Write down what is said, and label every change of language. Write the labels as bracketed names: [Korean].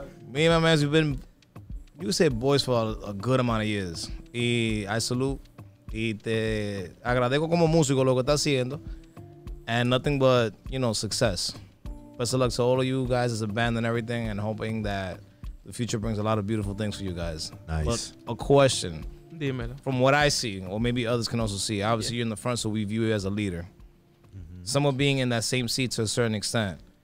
[English] Me and my man, we've been, you could say boys for a good amount of years. Y I salute. [Spanish] Y te agradezco como músico lo que estás haciendo. [English] And nothing but, you know, success. Best of luck to all of you guys as a band and everything. And hoping that the future brings a lot of beautiful things for you guys. Nice. But a question. [Spanish] Dímelo. [English] From what I see, or maybe others can also see, obviously you're in the front, so we view you as a leader. Mm-hmm. Someone being in that same seat to a certain extent.